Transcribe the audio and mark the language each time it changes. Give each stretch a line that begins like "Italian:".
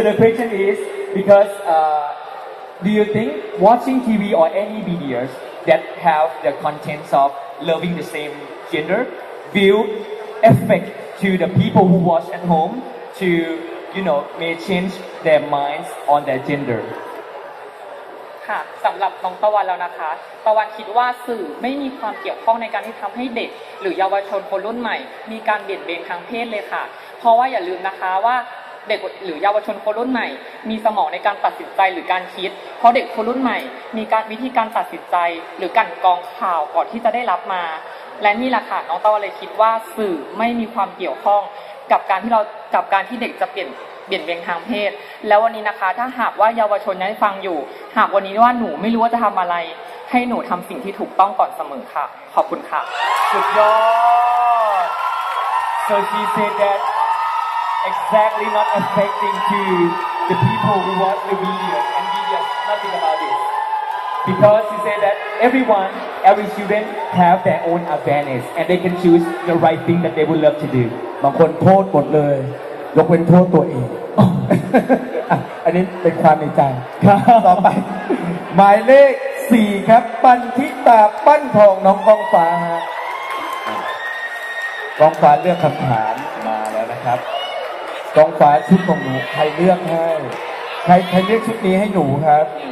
English: the question is, because do you think watching TV or any videos that have the contents of loving the same gender will affect to the people who watch at home to, you know, may change their minds on their gender?
Thai: ค่ะสำหรับน้องตะวันแล้วนะคะตะวันคิดว่าสื่อไม่มีความเกี่ยวข้องในการที่ทำให้เด็กหรือเยาวชนคนรุ่นใหม่มีการเบียดเบนทางเพศเลยค่ะเพราะว่าอย่าลืมนะคะว่าเด็กหรือเยาวชนคนรุ่นใหม่มีสมองในการตัดสินใจหรือการคิดเพราะเด็กคนรุ่นใหม่มีการวิธีการตัดสินใจหรือการกรองข่าวก่อนที่จะได้รับมา และนี่แหละค่ะน้องตะวันเลยคิดว่าสื่อไม่มีความเกี่ยวข้องกับการที่เรากับการที่เด็กจะเปลี่ยนเบียงทางเพศแล้ววันนี้นะคะถ้าหากว่าเยาวชนนั้นฟังอยู่หากวันนี้ว่าหนูไม่รู้ว่าจะทำอะไรให้หนูทำสิ่งที่ถูกต้องก่อนเสมอค่ะขอบคุณค่ะ สุดยอด
English: so she said that exactly not affecting to the people who watch the video and video nothing about it because she said that every student have their own awareness and they can choose the right thing that they would love to do
Thai: บางคนโทษหมดเลยยกเว้นโทษตัวเอง อันนี้เป็นความในใจ ครับ ต่อไปหมายเลข4ครับปันทิตาปั้นทองน้องกองฟ้าฮะกองฟ้าเลือกคำถามมาแล้วนะครับกองฟ้าชุดของหนูใครเลือกให้ใครเลือกชุดนี้ให้หนูครับ